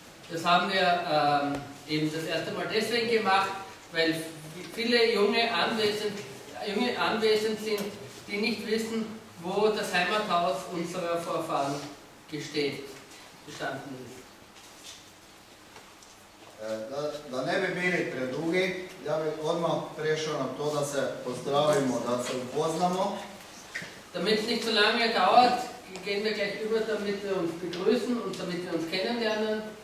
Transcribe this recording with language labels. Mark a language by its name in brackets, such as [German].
[German] Das haben wir eben das erste Mal deswegen gemacht, weil viele junge anwesend sind, die nicht wissen, wo das Heimathaus unserer Vorfahren gestanden ist. [Croatian] Da ne bi bili predugi, ja bi odmah prešao na to da se pozdravimo, da se upoznamo. [German] Damit es nicht so lange dauert, gehen wir gleich über, damit wir uns begrüßen und damit wir uns kennenlernen.